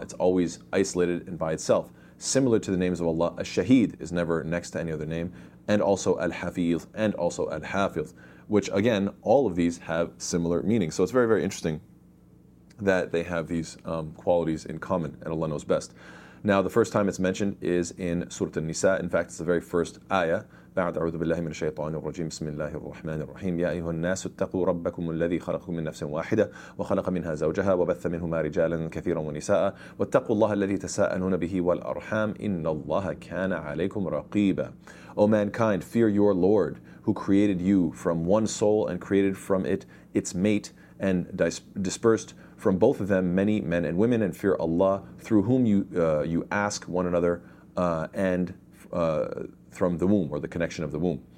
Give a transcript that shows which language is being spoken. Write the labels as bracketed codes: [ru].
[en] It's always isolated and by itself. Similar to the names of Allah, Al-Shaheed is never next to any other name, and also Al-Hafidh, and also Al-Hafidh, which again, all of these have similar meanings. So it's very, very interesting that they have these qualities in common, and Allah knows best. Now, the first time it's mentioned is in Surah An-Nisa. In fact, it's the very first ayah. [ar] بعد أعوذ بالله من الشيطان الرجيم بسم الله الرحمن الرحيم يا أيها الناس اتقوا ربكم الذي خلقكم من نفس واحدة وخلق منها زوجها وبث منهما رجالا كثيرا ونساء واتقوا الله الذي تساءلون به والأرحام إن الله كان عليكم رقيبا. [en] O mankind, fear your Lord who created you from one soul and created from it its mate and dispersed from both of them many men and women, and fear Allah through whom you ask one another from the womb, or the connection of the womb.